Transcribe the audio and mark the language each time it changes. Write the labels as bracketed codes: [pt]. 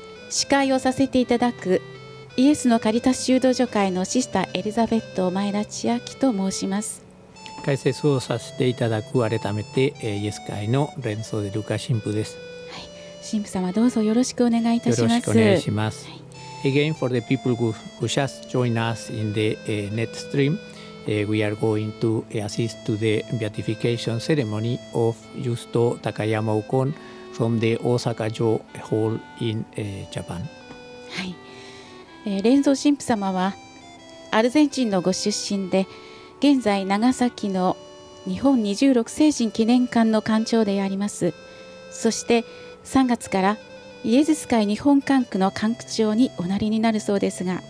[ja] 司会をさせていただくイエスのカリタス修道女会のシスターエリザベット前田千秋と申します。解説をさせていただく改めてイエス会のレンソデルカ神父です。はい、神父様どうぞよろしくお願いいたします。よろしくお願いします。 [en] はい、Again for the people who just join us in the net stream, we are going to assist to the beatification ceremony of Justo Takayama Ukon from the Osaka Jo Hall in Japan. [ja] はい、蓮蔵神父様はアルゼンチンのご出身で、現在長崎の日本26聖人記念館の館長であります。そして3月からイエズス会日本館区の館区長におなりになるそうですが、